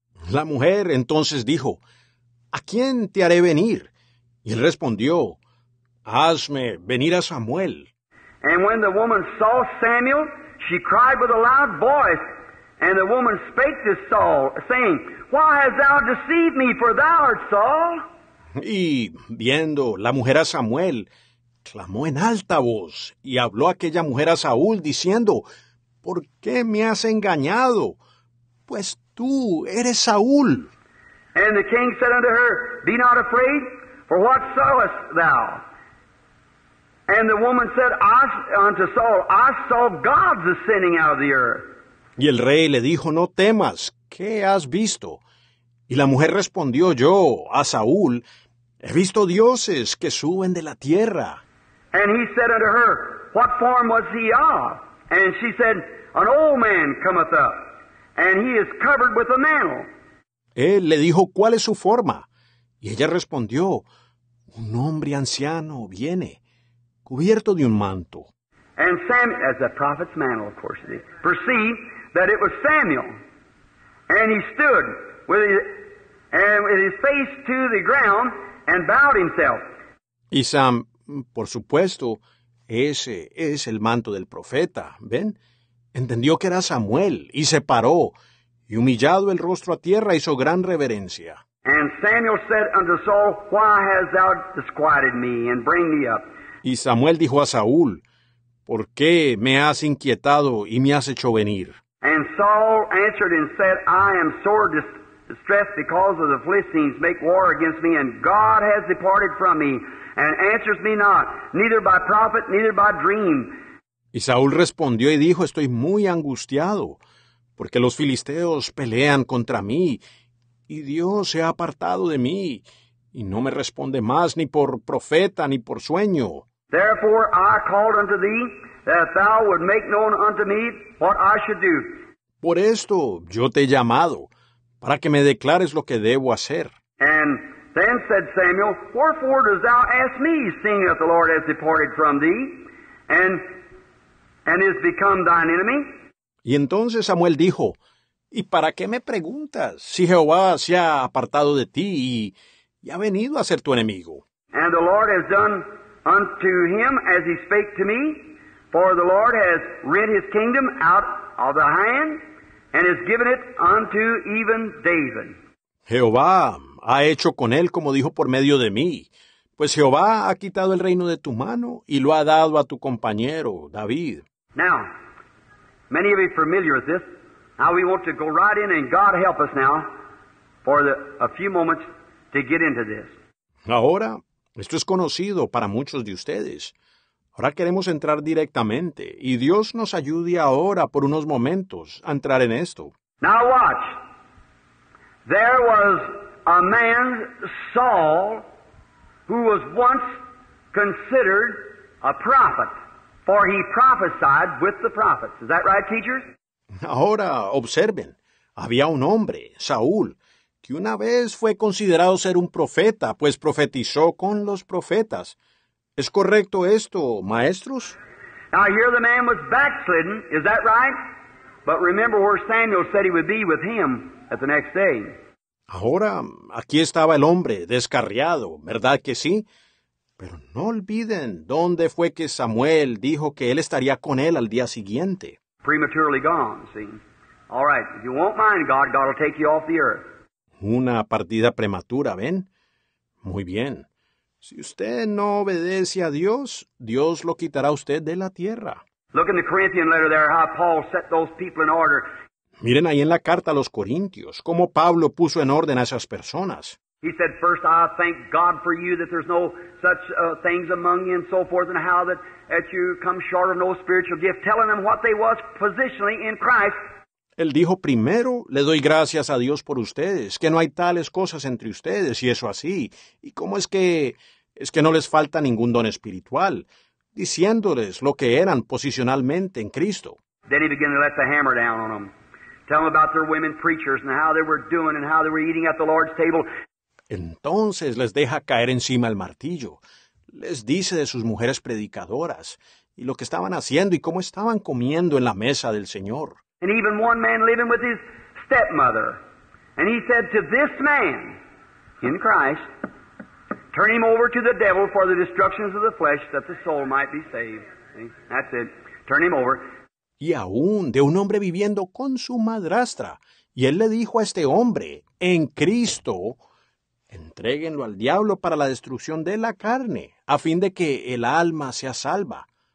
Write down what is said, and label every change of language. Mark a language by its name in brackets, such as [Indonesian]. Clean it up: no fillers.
[Spanish] La mujer entonces dijo, ¿a quién te haré venir? Y él respondió, hazme venir a Samuel. [English] And when the woman saw Samuel, she cried with a loud voice, and the woman spake to Saul, saying, why hast thou deceived me, for thou art Saul? [Spanish] Y viendo la mujer a Samuel, clamó en alta voz, y habló aquella mujer a Saúl, diciendo, ¿por qué me has engañado? Pues tú eres Saúl. [English] And the king said unto her, be not afraid, for what sawest thou? And the woman said unto Saul, I saw gods ascending out of the earth. [Spanish] Y el rey le dijo, no temas, ¿qué has visto? Y la mujer respondió, yo, a Saúl, he visto dioses que suben de la tierra. [English] And he said unto her, what form was he of? And she said, an old man cometh up, and he is covered with a mantle. [Spanish] Él le dijo, ¿cuál es su forma? Y ella respondió, un hombre anciano viene, cubierto de un manto. [English] And Samuel, as the prophet's mantle, of course, he perceived that it was Samuel. And he stood with his face to the ground and bowed himself. [Spanish] Y Sam, por supuesto, ese es el manto del profeta, ¿ven? Entendió que era Samuel, y se paró, y humillado el rostro a tierra, hizo gran reverencia. [English] And Samuel said unto Saul, why hast thou disquieted me, and bring me up? [Spanish] Y Samuel dijo a Saúl, ¿por qué me has inquietado y me has hecho venir? [English] And Saul answered and said, I am sore distressed because of the Philistines make war against me, and God has departed from me, and answers me not, neither by prophet, neither by dream. [Spanish] Y Saúl respondió y dijo, estoy muy angustiado, porque los filisteos pelean contra mí, y Dios se ha apartado de mí, y no me responde más ni por profeta ni por sueño. [English] Therefore I called unto thee, that thou would make known unto me what I should do. [Spanish] Por esto yo te he llamado, para que me declares lo que debo hacer. [English] And then said Samuel, wherefore dost thou ask me, seeing that the Lord has departed from thee, and is become thine enemy? [Spanish] Y entonces Samuel dijo, ¿y para qué me preguntas, si Jehová se ha apartado de ti y ha venido a ser tu enemigo? [English] And the Lord has done unto him as he spake to me, for the Lord has rent his kingdom out of the hand, and has given it unto even David. [Spanish] Jehová ha hecho con él como dijo por medio de mí, pues Jehová ha quitado el reino de tu mano y lo ha dado a tu compañero, David. [English] Now, many of you are familiar with this. Now we want to go right in, and God help us now for a few moments to get into this. [Spanish] Ahora, esto es conocido para muchos de ustedes. Ahora queremos entrar directamente, y Dios nos ayude ahora por unos momentos a entrar en esto. [English] Now watch. There was a man, Saul, who was once considered a prophet, for he prophesied with the prophets. Is that right, teachers? [Spanish] Ahora, observen, había un hombre, Saúl, que una vez fue considerado ser un profeta, pues profetizó con los profetas. ¿Es correcto esto, maestros? [English] Now, here the man was backslidden, is that right? But remember where Samuel said he would be with him at the next day. [Spanish] Ahora, aquí estaba el hombre, descarriado, ¿verdad que sí? Pero no olviden dónde fue que Samuel dijo que él estaría con él al día siguiente. [English] Prematurely gone, see. All right, if you won't mind God, God will take you off the earth. [Spanish] Una partida prematura, ¿ven? Muy bien. Si usted no obedece a Dios, Dios lo quitará a usted de la tierra. [English] Look in the Corinthian letter there, how Paul set those people in order. [Spanish] Miren ahí en la carta a los Corintios, cómo Pablo puso en orden a esas personas. [English] He said, first I thank God for you that there's no such things among you and so forth, and how that you come short of no spiritual gift, telling them what they was positionally in Christ. [Spanish] Él dijo, primero, le doy gracias a Dios por ustedes, que no hay tales cosas entre ustedes, y eso así. ¿Y cómo es que no les falta ningún don espiritual? Diciéndoles lo que eran posicionalmente en Cristo. [English] Then he began to let the hammer down on them. Tell them about their women preachers and how they were doing and how they were eating at the Lord's table. [Spanish] Entonces les deja caer encima el martillo. Les dice de sus mujeres predicadoras y lo que estaban haciendo y cómo estaban comiendo en la mesa del Señor. [English] And even one man living with his stepmother. And he said to this man, in Christ, turn him over to the devil for the destructions of the flesh, that the soul might be saved. That's it. Turn him over. [Spanish] Y aún de un hombre viviendo con su madrastra. Y él le dijo a este hombre, en Cristo, entréguenlo al diablo para la destrucción de la carne, a fin de que el alma sea salva.